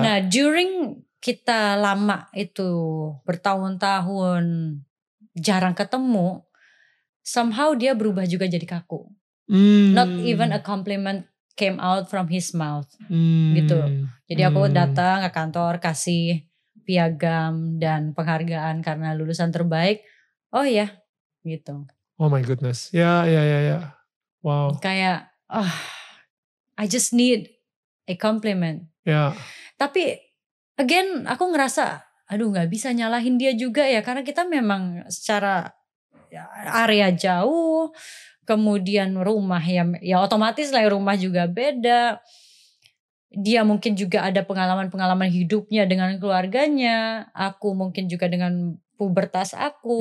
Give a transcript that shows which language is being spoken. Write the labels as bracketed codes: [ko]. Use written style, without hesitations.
[id] Nah, during kita lama itu bertahun-tahun jarang ketemu. Somehow dia berubah juga jadi kaku. [en] Not even a compliment came out from his mouth. [id] Gitu. Jadi aku datang ke kantor, kasih piagam dan penghargaan karena lulusan terbaik. Oh iya, gitu. [en] Oh my goodness. Yeah. Wow. [id] Kayak, [en] I just need a compliment. Yeah. [id] Tapi, again, aku ngerasa, aduh gak bisa nyalahin dia juga ya. Karena kita memang secara area jauh, kemudian rumah ya otomatis lah, rumah juga beda. Dia mungkin juga ada pengalaman-pengalaman hidupnya dengan keluarganya, aku mungkin juga dengan pubertas aku.